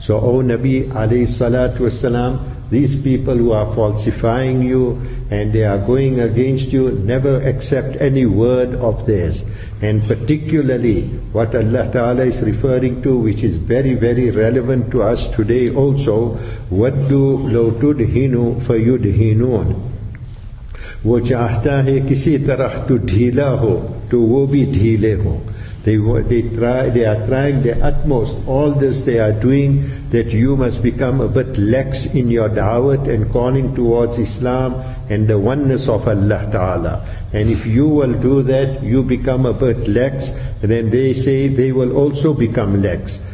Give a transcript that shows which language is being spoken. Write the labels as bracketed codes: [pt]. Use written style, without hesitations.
[en] So, O Nabi alayhi salatu wa sallam, these people who are falsifying you and they are going against you, never accept any word of theirs. And particularly what Allah Ta'ala is referring to, which is very, very relevant to us today also, [ar] وَدُّ لَوْ تُدْهِنُوا فَيُدْهِنُونَ. [ur] وہ چاہتا ہے کسی طرح تو ڈھیلا ہو تو وہ بھی ڈھیلے ہو. [en] They are trying their utmost. All this they are doing, that you must become a bit lax in your da'wat and calling towards Islam and the oneness of Allah Ta'ala. And if you will do that, you become a bit lax, then they say they will also become lax.